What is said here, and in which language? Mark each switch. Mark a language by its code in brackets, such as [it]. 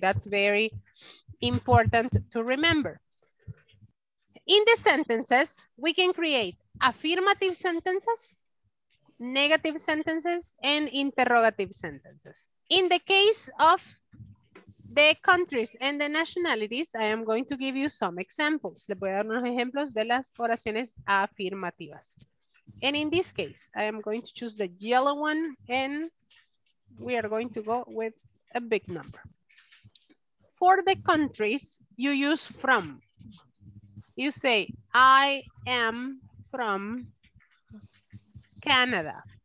[en] That's very important to remember. In the sentences, we can create affirmative sentences, negative sentences, and interrogative sentences. In the case of the countries and the nationalities, I am going to give you some examples. [es] Le voy a dar unos ejemplos de las oraciones afirmativas. [en] And in this case, I am going to choose the yellow one and we are going to go with a big number. For the countries, you use from. You say, I am from Canada.